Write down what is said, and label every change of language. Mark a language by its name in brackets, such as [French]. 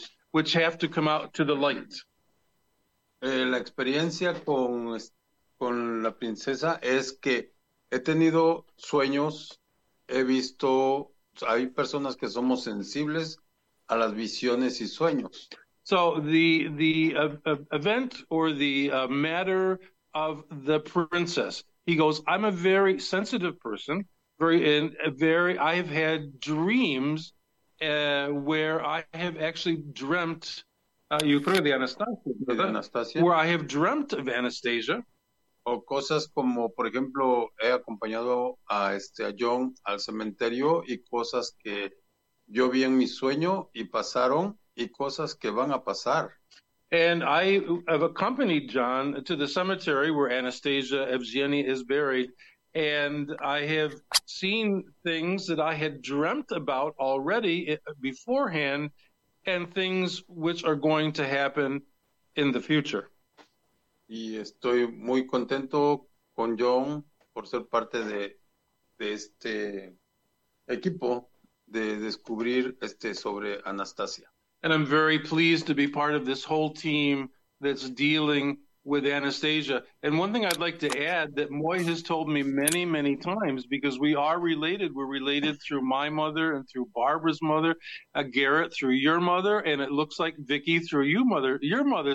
[English] Which have to come out to the light. [Spanish] La experiencia con la princesa es que he tenido sueños, he visto hay personas que somos sensibles a las visiones y sueños. [English] So the event or the matter of the princess, he goes, I'm a very sensitive person, I have had dreams where I have actually dreamt. Where I have dreamt of Anastasia. [Spanish] O cosas como, por ejemplo, he acompañado a John al cementerio y cosas que yo vi en mi sueño y pasaron y cosas que van a pasar. [English] And I have accompanied John to the cemetery where Anastasia Evgeny is buried, and I have seen things that I had dreamt about already beforehand and things which are going to happen in the future. [Spanish] Y estoy muy contento con John por ser parte de este equipo de descubrir sobre Anastasia. [English] And I'm very pleased to be part of this whole team that's dealing with Anastasia. And one thing I'd like to add that Moy has told me many, many times, because we are related. We're related through my mother and through Barbara's mother, Garrett through your mother, and it looks like Vicky through your mother.